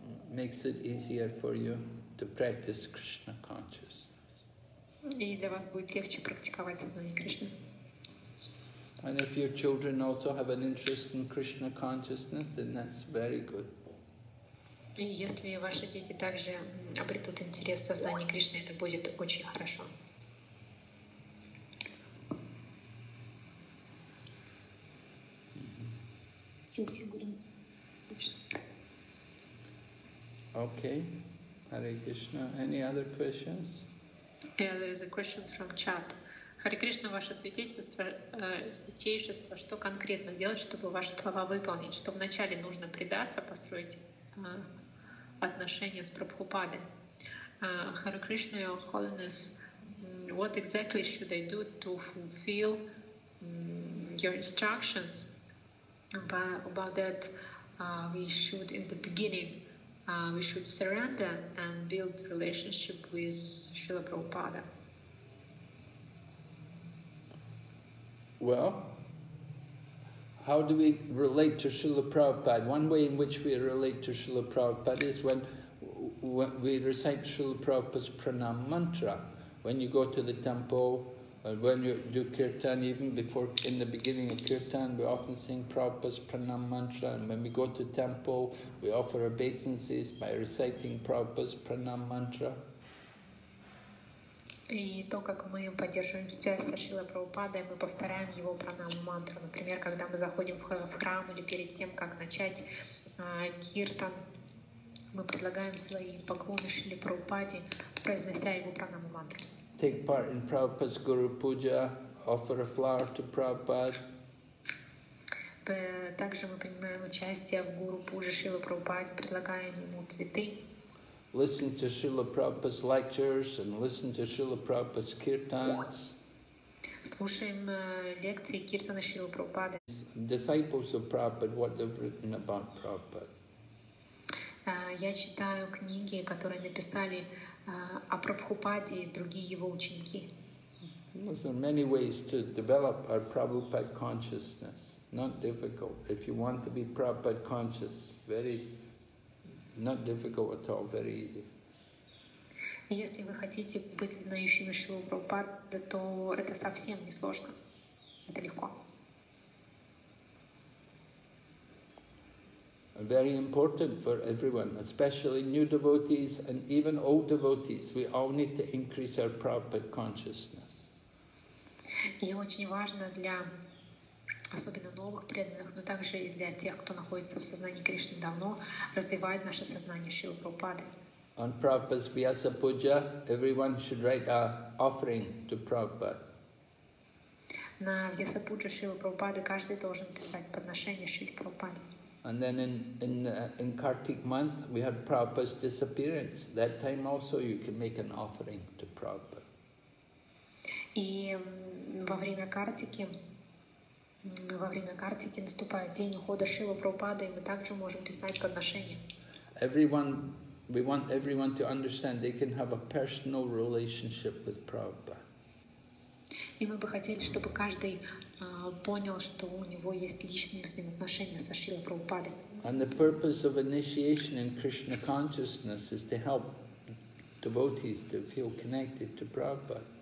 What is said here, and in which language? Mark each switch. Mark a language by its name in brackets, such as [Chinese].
[English] Makes it easier for you to practice Krishna consciousness. [Russian] И для вас будет легче практиковать сознание Кришны. [English] And if your children also have an interest in Krishna consciousness, then that's very good. [Russian] И если ваши дети также обретут интерес в сознании Кришны, это будет очень хорошо. [English] Okay. Hare Krishna. Any other questions? Yeah, there is a question from chat. [Russian] Hare Krishna, ваше святейшество, святейшество, что конкретно делать, чтобы ваши слова выполнить? Что вначале нужно предаться, построить отношения с Прабхупадой? [English] Hare Krishna, your holiness, what exactly should I do to fulfill your instructions about that we should, in the beginning, we should surrender and build relationship with Srila Prabhupada. Well, how do we relate to Srila Prabhupada? One way in which we relate to Srila Prabhupada is when we recite Srila Prabhupada's pranam mantra. When you go to the temple, when you do kirtan, even before, in the beginning of kirtan, we often sing Prabhupada's pranam mantra. And when we go to temple, we offer obeisances by reciting Prabhupada's pranam mantra. [Russian] И то, как мы поддерживаем связь со Шрилой Прабхупадой, мы повторяем его пранаму мантру. Например, когда мы заходим в храм или перед тем, как начать киртан, мы предлагаем свои поклоны Шриле Прабхупаде, произнося его пранаму мантру. [English] Take part in Prabhupada's Guru Puja, offer a flower to Prabhupada. [Russian] Также мы принимаем участие в Guru Puja Шрилы Прабхупаде, предлагаем ему цветы. [English] Listen to Srila Prabhupada's lectures and listen to Srila Prabhupada's kirtans. [Russian] Слушаем лекции киртана Шрилы Прабхупады. [English] Disciples of Prabhupada, what they've written about Prabhupada. [Russian] Я читаю книги, которые написали о Прабхупаде и другие его ученики. [English] There are many ways to develop our Prabhupada consciousness. Not difficult. If you want to be Prabhupada conscious, very not difficult at all, very easy. [Russian] Если вы хотите быть знающим Шрилу Прабхупаду, то это совсем не сложно. Это легко. [English] Very important for everyone, especially new devotees and even old devotees. We all need to increase our Prabhupada consciousness. [Russian] И очень важно для особенно новых преданных, но также и для тех, кто находится в сознании Кришны давно, развивает наше сознание Шрилы Прабхупады. [English] On Prabhupada's Vyasa Puja, everyone should write an offering to Prabhupada. [Russian] На Vyasa Puja Шрилы Прабхупады каждый должен писать подношение Шриле Прабхупаде. [English] And then in Kartik month, we had Prabhupada's disappearance. That time also you can make an offering to Prabhupada. [Russian] И во время Картики, наступает день ухода Шрилы Прабхупады, и мы также можем писать подношение. [English] Everyone, we want everyone to understand they can have a personal relationship with Prabhupada. [Russian] И мы бы хотели, чтобы каждый понял, что у него есть личные взаимоотношения со Шрилой Прабхупадой. [English] And the purpose of initiation in Krishna consciousness is to help devotees to feel connected to Prabhupada.